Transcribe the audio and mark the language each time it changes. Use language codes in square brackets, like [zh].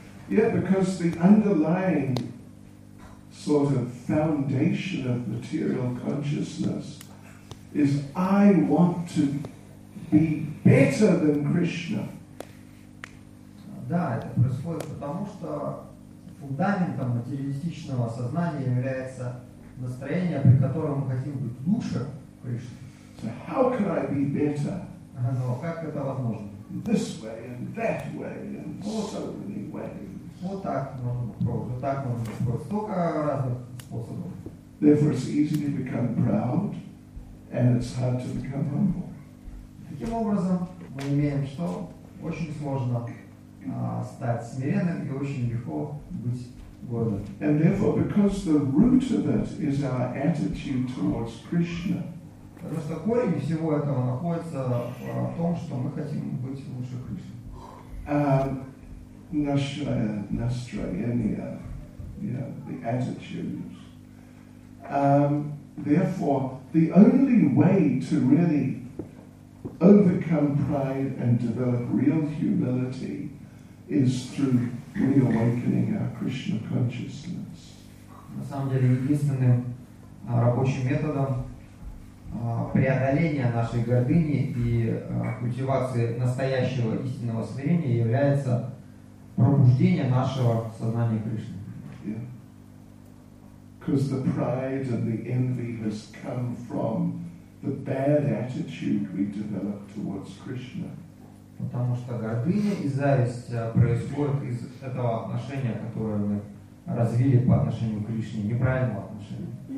[en] Yeah, because the underlying sort of foundation of material consciousness is I want to be better than Krishna. [ru] Да, это происходит потому, что фундаментом материалистичного сознания является настроение, при котором мы хотим быть лучше Кришны. [en] So how can I be better? [ru] Но как это возможно? [en] This way and that way and so many ways. [ru] Вот так можно попробовать, вот так можно попробовать. Столько разных способов. [en] Therefore, it's easy to become proud, and it's hard to become humble. [ru] Таким образом, мы имеем, что очень сложно стать смиренным и очень легко быть гордым. [en] And therefore, because the root of it is our attitude towards Krishna. [ru] Потому что корень всего этого находится в том, что мы хотим быть лучше Кришны. [en] Настроение, yeah, the attitudes. Therefore, the only way to really overcome pride and develop real humility is through reawakening our Krishna consciousness. [ru] На самом деле, единственным рабочим методом преодоление нашей гордыни и культивации настоящего истинного смирения является пробуждение нашего сознания Кришны. [en] Because the pride and the envy has come from the bad attitude we develop towards Krishna. [ru] Потому что гордыня и зависть происходят из этого отношения, которое мы развили по отношению к Кришне, неправильного отношения.